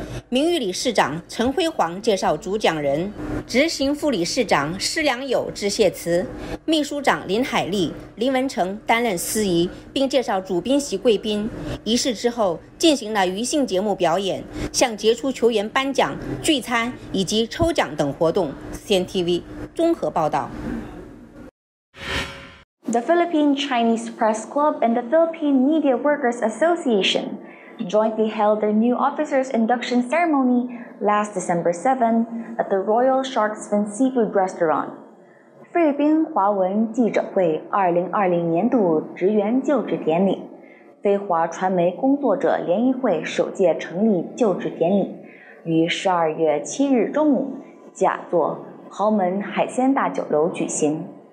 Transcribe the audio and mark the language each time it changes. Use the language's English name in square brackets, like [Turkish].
[Chinese] 名誉理事长陈辉煌介绍主讲人，执行副理事长施良友致谢词，秘书长林海丽、林文成担任司仪，并介绍主宾席贵宾。仪式之后进行了余兴节目表演、向杰出球员颁奖、聚餐以及抽奖等活动。 CNTV 综合报道。 [English] The Philippine Chinese Press Club and the Philippine Media Workers Association jointly held their new officers' induction ceremony last December 7 at the Royal Sharks Fin Seafood Restaurant. [Chinese] 菲律宾华文记者会2020年度职员就职典礼，非华传媒工作者联谊会首届成立就职典礼于12月7日中午假座豪门海鲜大酒楼举行。